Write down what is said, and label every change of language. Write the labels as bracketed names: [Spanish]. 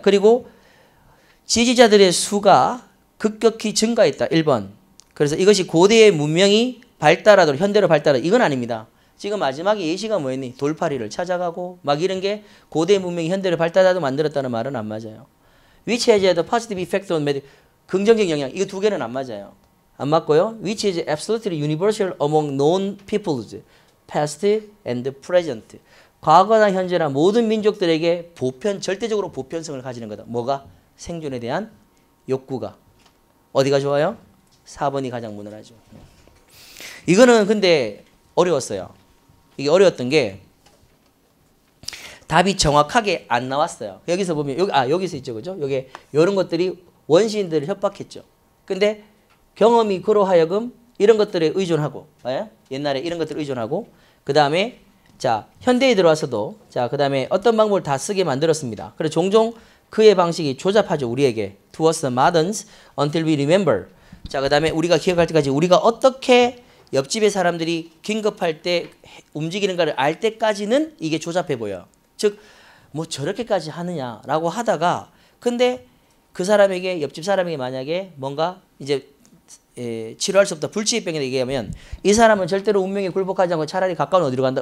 [Korean] 그리고 지지자들의 수가 급격히 증가했다. 1번. 그래서 이것이 고대의 문명이 발달하도록 현대로 발달하도록 이건 아닙니다. 지금 마지막에 예시가 뭐였니? 돌파리를 찾아가고 막 이런 게 고대의 문명이 현대로 발달하도록 만들었다는 말은 안 맞아요. [English] Which has had a positive effect on medicine. [Korean] 긍정적 영향. 이거 두 개는 안 맞아요. 안 맞고요. [English] Which is absolutely universal among known peoples. Past and present. [Korean] 과거나 현재나 모든 민족들에게 보편, 절대적으로 보편성을 가지는 거다. 뭐가? 생존에 대한 욕구가. 어디가 좋아요? 4번이 가장 무난하죠. 이거는 근데 어려웠어요. 이게 어려웠던 게 답이 정확하게 안 나왔어요. 여기서 보면, 여기서 있죠. 그죠? 여기, 이런 것들이 원시인들을 협박했죠. 근데 경험이 그로 하여금 이런 것들에 의존하고, 예? 옛날에 이런 것들에 의존하고, 그 다음에 자 현대에 들어와서도 자 그 다음에 어떤 방법을 다 쓰게 만들었습니다. 그리고 종종 그의 방식이 조잡하죠. 우리에게 [English] to us the moderns until we remember. [Korean] 자 그 다음에 우리가 기억할 때까지 우리가 어떻게 옆집의 사람들이 긴급할 때 움직이는가를 알 때까지는 이게 조잡해 보여. 즉 뭐 저렇게까지 하느냐라고 하다가 근데 그 사람에게 옆집 사람에게 만약에 뭔가 이제 예, 치료할 수 없다 불치병에 얘기하면 이 사람은 절대로 운명에 굴복하지 않고 차라리 가까운 어디로 간다.